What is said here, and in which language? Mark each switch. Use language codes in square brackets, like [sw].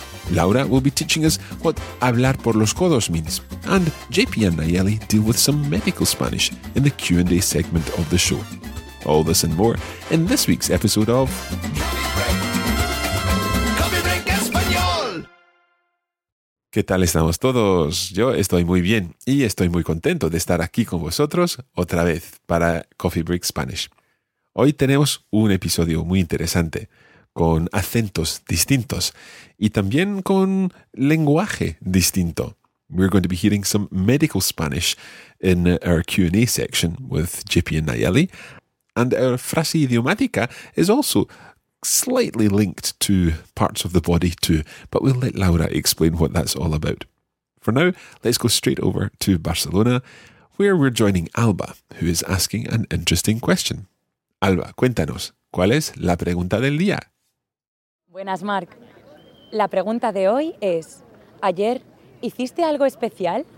[en] Laura will be teaching us what hablar por los codos means, and JP and Nayeli deal with some medical Spanish in the Q&A segment of the show. All this and more in this week's episode of Coffee Break Español. [es] ¿Qué tal estamos todos? Yo estoy muy bien y estoy muy contento de estar aquí con vosotros otra vez para Coffee Break Spanish. Hoy tenemos un episodio muy interesante, con acentos distintos y también con lenguaje distinto. [en] We're going to be hearing some medical Spanish in our Q&A section with JP and Nayeli. And our frase idiomática is also slightly linked to parts of the body too, but we'll let Laura explain what that's all about. For now, let's go straight over to Barcelona, where we're joining Alba, who is asking an interesting question. [es] Alba, cuéntanos, ¿cuál es la pregunta del día? Buenas, Marc. La pregunta de hoy es, ¿ayer hiciste algo especial?